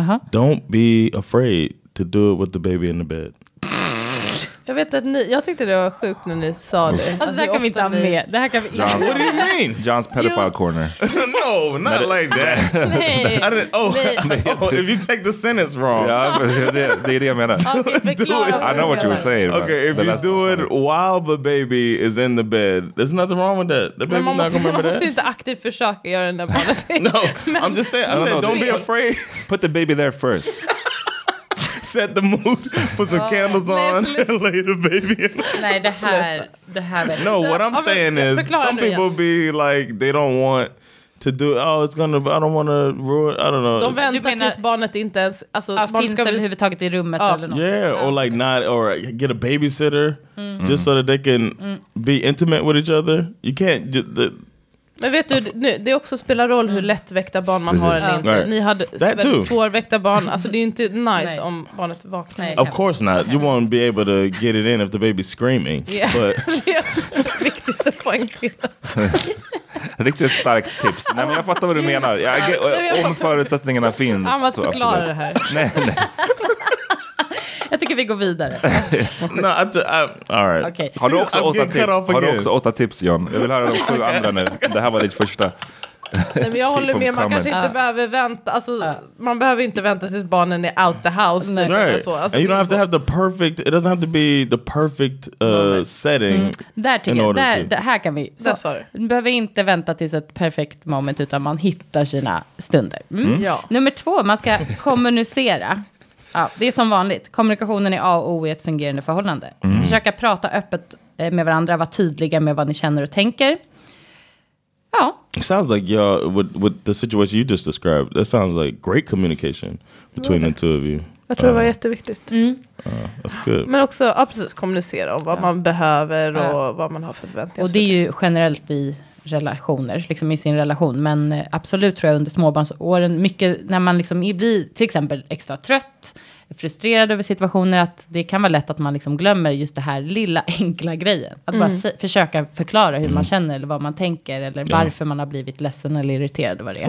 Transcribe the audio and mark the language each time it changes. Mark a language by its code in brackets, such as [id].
[en] Don't be afraid to do it with the baby in the bed. [sv] Jag vet att ni, jag tyckte det var sjukt när ni sa det. Alltså det här kan vi inte ha med. Det här kan vi [en] John, what do you mean? John's pedophile corner. No, not like that. [sv] Nej. [en] If you take the sentence wrong. [sv] Ja, det är det jag menar. [en] Okay, I know what you were saying. Okay, if you do it while the baby is in the bed, there's nothing wrong with that. The baby's not going to remember that. [sv] Man måste inte aktivt försöka göra den där barnen. [en] No, I'm just saying, don't be afraid. Put the baby there first. Set the mood, put some candles on, and lay the baby in. [sv] Nej, det här. [en] No, what I'm saying is, some people be like, they don't want to do, oh, it's gonna, I don't want to ruin, I don't know. [sv] De väntar tills barnet inte ens, finns överhuvudtaget i rummet eller något. [en] Yeah, or like not, or get a babysitter, just so that they can be intimate with each other. You can't, [sv] men vet du, nu, det också spelar roll hur lättväckta barn man har eller inte. Ni hade väldigt svårväckta barn. Alltså det är ju inte nice om barnet vaknar. [en] Of course not. You won't be able to get it in if the baby's screaming. Yeah. But... [sv] det är viktigt att poängtera. Riktigt starkt tips. Nej, men jag fattar vad du menar. Om förutsättningarna finns. Han måste förklara det här. Nej. Jag tycker vi går vidare. [en] No, all right. Okay. [sv] Har du också åtta tips, John? Jag vill höra de 7 andra nu. Det här var ditt första. Nej, men jag håller med. Man kanske inte behöver vänta. Alltså, man behöver inte vänta tills barnen är [en] out the house. Right. [sv] Eller så. [en] Alltså, and you don't have to have the perfect... It doesn't have to be the perfect setting. [sv] Där tycker jag. Här kan vi... Du behöver inte vänta tills ett perfekt moment, utan man hittar sina stunder. Nummer 2, man ska kommunicera. Ja, det är som vanligt. Kommunikationen är A och O i ett fungerande förhållande. Försöka prata öppet med varandra, vara tydliga med vad ni känner och tänker. Ja. [en] It sounds like with the situation you just described. That sounds like great communication between the two of you. [sv] Jag tror det var jätteviktigt. [en] That's good. [sv] Men också absolut kommunicera om vad man behöver och vad man har förväntningar. Och det är ju generellt i relationer, liksom i sin relation, men absolut tror jag under småbarnsåren mycket, när man liksom blir till exempel extra trött, frustrerad över situationer, att det kan vara lätt att man liksom glömmer just det här lilla enkla grejen, att bara försöka förklara hur man känner eller vad man tänker eller varför man har blivit ledsen eller irriterad, vad det är.